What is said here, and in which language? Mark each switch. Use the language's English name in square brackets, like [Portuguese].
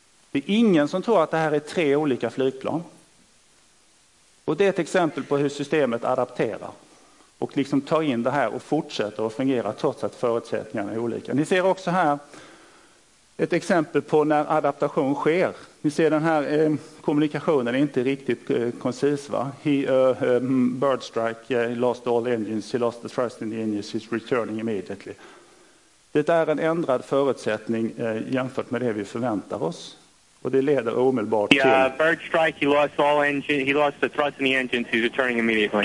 [Swedish] Det är ingen som tror att det här är tre olika flygplan. Och det är ett exempel på hur systemet adapterar. Och liksom tar in det här och fortsätter att fungera trots att förutsättningarna är olika. Ni ser också här ett exempel på när adaptation sker. Ni ser den här kommunikationen är inte riktigt koncis, va? [English] Bird strike, lost all engines, he lost the thrust in the engines, he's returning immediately. [Swedish] Det är en ändrad förutsättning jämfört med det vi förväntar oss. Och det leder omedelbart till... [English] Bird strike, he lost all engines, he lost the thrust in the engines, he's returning immediately.